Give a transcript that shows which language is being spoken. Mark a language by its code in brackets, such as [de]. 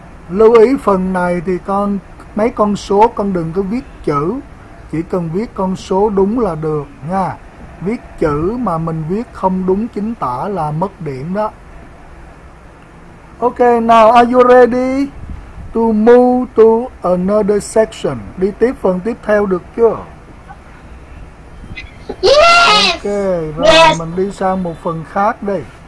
[vi] Lưu ý phần này thì con mấy con số con đừng có viết chữ, chỉ cần viết con số đúng là được nha. Viết chữ mà mình viết không đúng chính tả là mất điểm đó. [en] Ok, now are you ready to move to another section? [vi] Đi tiếp phần tiếp theo được chưa? [en] Yes! [vi] Ok, rồi yes. Mình đi sang một phần khác đi.